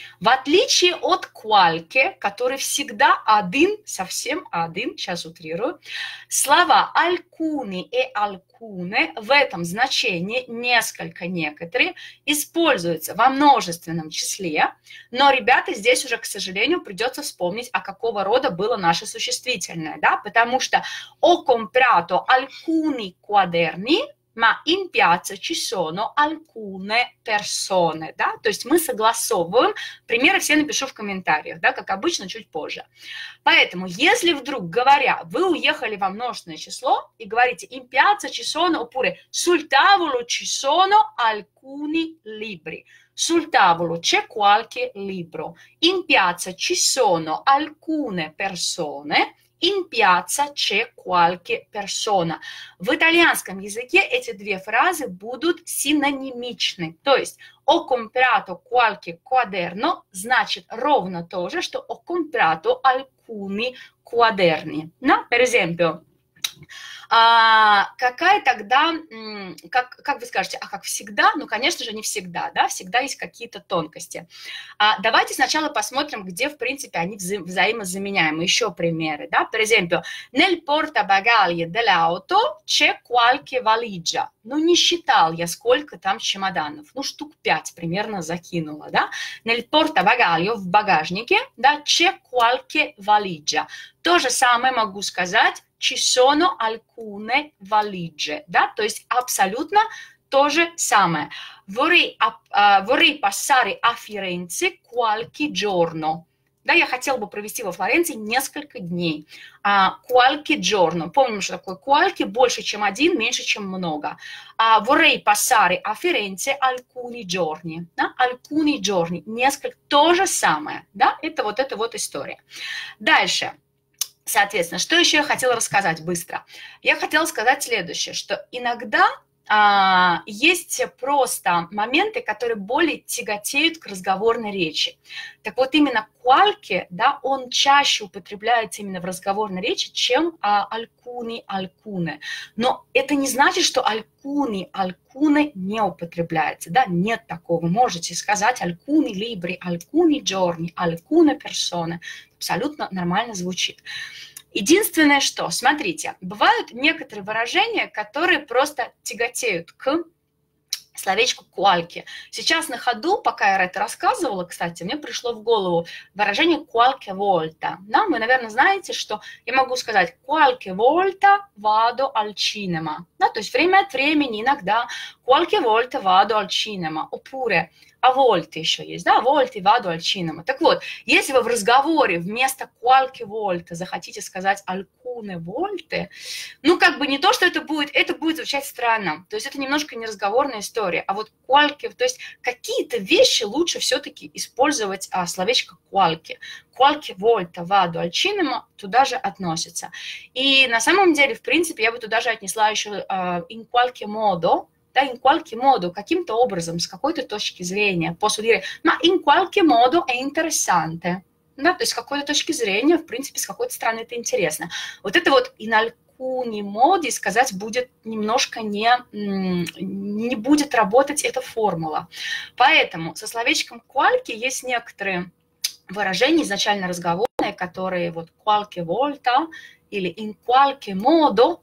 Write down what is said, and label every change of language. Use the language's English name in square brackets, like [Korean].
[Russian] В отличие от qualche, который всегда один, совсем один, сейчас утрирую, слова алькуни и алькуне в этом значении несколько некоторые используются во множественном числе, но, ребята, здесь уже, к сожалению, придется вспомнить, а какого рода было наше существительное, да? [Italian] Потому что ho comprato alcuni quaderni, ma in piazza ci sono alcune persone, да? [Russian] То есть мы согласовываем, примеры все напишу в комментариях, да, как обычно, чуть позже. Поэтому, если вдруг говоря, вы уехали во множественное число и говорите [Italian] in piazza ci sono, oppure sul tavolo ci sono alcuni libri. Sul tavolo c'è qualche libro. In piazza ci sono alcune persone. In piazza c'è qualche persona. [Russian] В итальянском языке эти две фразы будут синонимичны. То есть [Italian] ho comprato qualche quaderno [Russian] значит ровно то же, что [Italian] ho comprato alcuni quaderni. No? Per esempio, [Russian] какая тогда, как вы скажете, а как всегда? Ну, конечно же, не всегда, да? Всегда есть какие-то тонкости. Давайте сначала посмотрим, где, в принципе, они взаимозаменяемы. Еще примеры, да? [Italian] Per esempio, nel portabagagli dell'auto c'è qualche valigia. [Russian] Ну, не считал я, сколько там чемоданов. Ну, штук 5 примерно закинула, да? [Italian] Nel portabagagli, [Russian] в багажнике, [Italian] да, c'è qualche valigia. [Russian] То же самое могу сказать. [Italian] Ci sono alcune valigie, да? [Russian] То есть абсолютно то же самое. [Italian] Vorrei passare a Firenze qualche giorno. [Russian] Да, я хотел бы провести во Флоренции несколько дней. [Italian] Qualche giorno. [Russian] Помним, что такое qualche, больше, чем один, меньше, чем много. [Italian] Vorrei passare a Firenze alcuni giorni. [Russian] Да? [Italian] Alcuni giorni. [Russian] Несколько. То же самое. Да? Это вот история. Дальше. Соответственно, что еще я хотела рассказать быстро? Я хотела сказать следующее, что иногда есть просто моменты, которые более тяготеют к разговорной речи. Так вот, именно qualche, да, он чаще употребляется именно в разговорной речи, чем alcuni, alcune. Но это не значит, что alcuni, alcune не употребляется. Да? Нет такого. Вы можете сказать [Italian] alcuni libri, alcuni giorni, alcune persone. [Russian] Абсолютно нормально звучит. Единственное, что, смотрите, бывают некоторые выражения, которые просто тяготеют к словечку «куальки». Сейчас на ходу, пока я это рассказывала, кстати, мне пришло в голову выражение [Italian] «qualche volta». [Russian] Да? Вы, наверное, знаете, что я могу сказать [Italian] «qualche volta vado al cinema». [Russian] Да? То есть время от времени, иногда [Italian] «qualche volta vado al cinema». [Russian] Oppure [Italian] «a volte» [Russian] еще есть, да? [Italian] «A volte vado al cinema». [Russian] Так вот, если вы в разговоре вместо [Italian] «qualche volta» [Russian] захотите сказать [Italian] «alcune volte», [Russian] ну, как бы не то, что это будет звучать странно. То есть это немножко не разговорная история. А вот qualche, то есть какие-то вещи лучше все-таки использовать словечко qualche. [Italian] Qualche volta vado al cinema [Russian] туда же относится. И на самом деле, в принципе, я бы туда же отнесла еще [Italian] in qualche modo, [Russian] да, in qualche modo, каким-то образом, с какой-то точки зрения. [Italian] Posso dire, ma in qualche modo è interessante. [Russian] Да, то есть с какой-то точки зрения, в принципе, с какой-то стороны это интересно. Вот это вот [Italian] in alcuni modi [Russian] сказать будет немножко не... не будет работать эта формула. Поэтому со словечком qualche есть некоторые выражения, изначально разговорные, которые вот [Italian] qualche volta [Russian] или [Italian] in qualche modo.